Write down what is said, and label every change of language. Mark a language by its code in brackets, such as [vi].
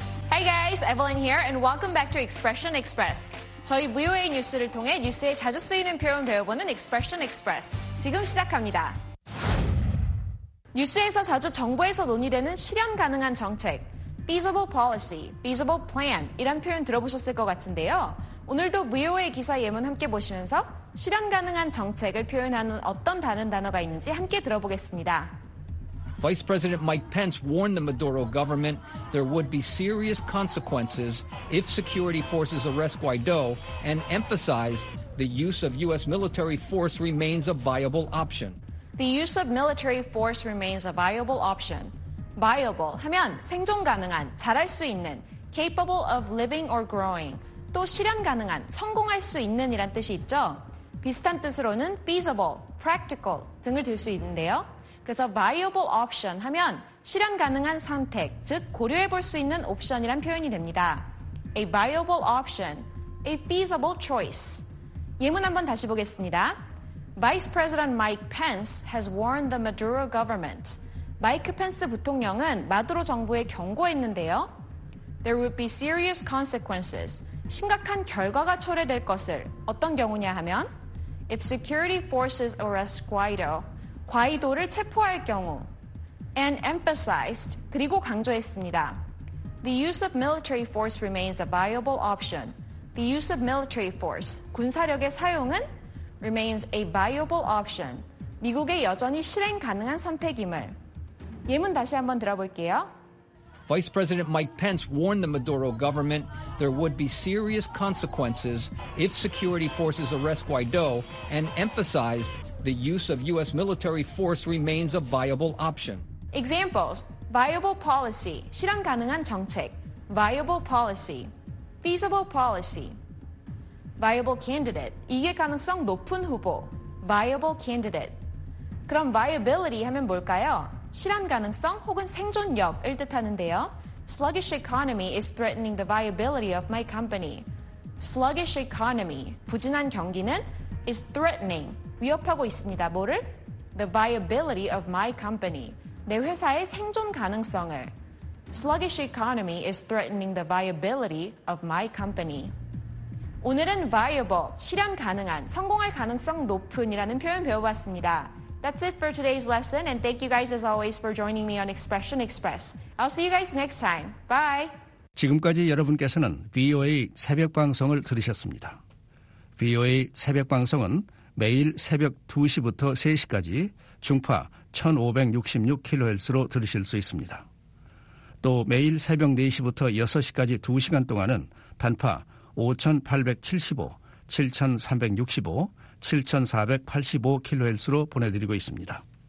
[en] Hi guys, Evelyn here and welcome back to Expression Express. [ko] 저희 VOA 뉴스를 통해 뉴스에 자주 쓰이는 표현 배워보는 Expression Express. 지금 시작합니다. 뉴스에서 자주 정부에서 논의되는 실현 가능한 정책, [en] feasible policy, feasible plan [ko] 이런 표현 들어보셨을 것 같은데요. 오늘도 VOA 기사 예문 함께 보시면서 실현 가능한 정책을 표현하는 어떤 다른 단어가 있는지 함께 들어보겠습니다. [en] Vice President Mike Pence warned the Maduro government there would be serious consequences if security forces arrest Guaido and emphasized the use of U.S. military force remains a viable option. The use of military force remains a viable option. [ko] Viable 하면 생존 가능한, 잘할 수 있는, [en] capable of living or growing, [ko] 또 실현 가능한, 성공할 수 있는 이란 뜻이 있죠. 비슷한 뜻으로는 feasible, practical 등을 들 수 있는데요. 그래서 viable option 하면 실현 가능한 선택, 즉 고려해 볼 수 있는 옵션이란 표현이 됩니다. [en] A viable option, a feasible choice. [ko] 예문 한번 다시 보겠습니다. [en] Vice President Mike Pence has warned the Maduro government. [ko] 마이크 펜스 부통령은 마두로 정부에 경고했는데요. [en] There would be serious consequences. [ko] 심각한 결과가 초래될 것을. 어떤 경우냐 하면 [en] If security forces arrest Guaido, [ko] 과이도를 체포할 경우 [en] And emphasized, [ko] 그리고 강조했습니다. [en] The use of military force remains a viable option. The use of military force, [ko] 군사력의 사용은 [en] remains a viable option. [ko] 미국의 여전히 실행 가능한 선택임을. 예문 다시 한번 들어볼게요. [en] Vice President Mike Pence warned the Maduro government there would be serious consequences if security forces arrest Guaido and emphasized the use of U.S. military force remains a viable option. Examples. Viable policy. [ko] 실행 가능한 정책. [en] Viable policy. Feasible policy. Viable candidate, [ko] 이길 가능성 높은 후보, [en] viable candidate. [ko] 그럼 viability 하면 뭘까요? 실현 가능성 혹은 생존력을 뜻하는데요. [en] Sluggish economy is threatening the viability of my company. sluggish economy, [ko] 부진한 경기는 [en] is threatening, [ko] 위협하고 있습니다. 뭐를? [en] The viability of my company, [ko] 내 회사의 생존 가능성을. [en] Sluggish economy is threatening the viability of my company. [ko] 오늘은 viable, 실현 가능한, 성공할 가능성 높은이라는 표현 배워봤습니다. [en] That's it for today's lesson, and thank you guys as always for joining me on Expression Express. I'll see you guys next time. Bye! [ko] 지금까지 여러분께서는 VOA 새벽 방송을 들으셨습니다. VOA 새벽 방송은 매일 새벽 2시부터 3시까지 중파 1566kHz로 들으실 수 있습니다. 또 매일 새벽 4시부터 6시까지 2시간 동안은 단파 5875, 7365, 7485kHz로 보내드리고 있습니다.